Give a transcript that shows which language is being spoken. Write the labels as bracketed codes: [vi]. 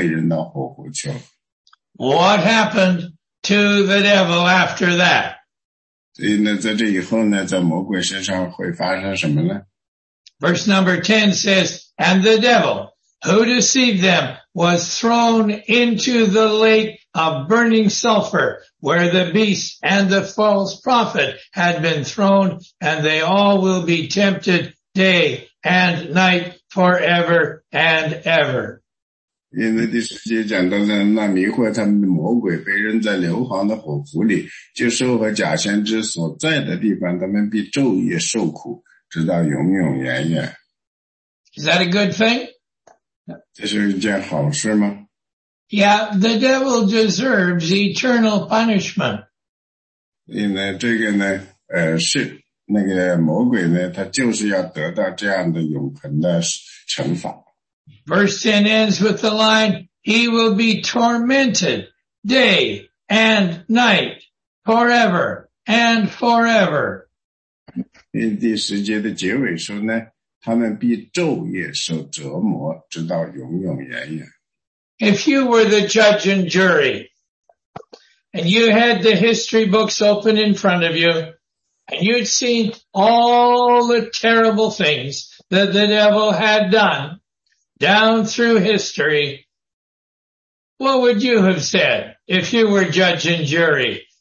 [zh] 这个呢就不奇怪。第十节说呢，那迷惑他们的魔鬼被人在硫磺的火湖里，就受和假先知所在的地方，他们呢，这些人呢也都被扔到火湖去了。 [en] What happened to the devil after that? [zh] 所以呢，在这以后呢，在魔鬼身上会发生什么呢？ [en] Verse number 10 says, and the devil who deceived them was thrown into the lake of burning sulfur where the beast and the false prophet had been thrown, and they all will be tempted day and night forever and ever. [zh] 因为第十节讲到的，那迷惑他们的魔鬼被扔在硫磺的火湖里，就受和假先知所在的地方，他们必昼夜受苦，直到永永远远。 [en] Is that a good thing? [zh] 这是一件好事吗？ [en] Yeah, the devil deserves eternal punishment. [zh] 因为这个呢，是那个魔鬼呢，他就是要得到这样的永恒的惩罚。 [en] Verse 10 ends with the line, he will be tormented day and night, forever and forever. [zh] 第十节的结尾说呢, 他们必昼夜受折磨,直到永永远远。 [en] If you were the judge and jury, and you had the history books open in front of you, and you'd seen all the terrible things that the devil had done down through history, what would you have said if you were judge and jury?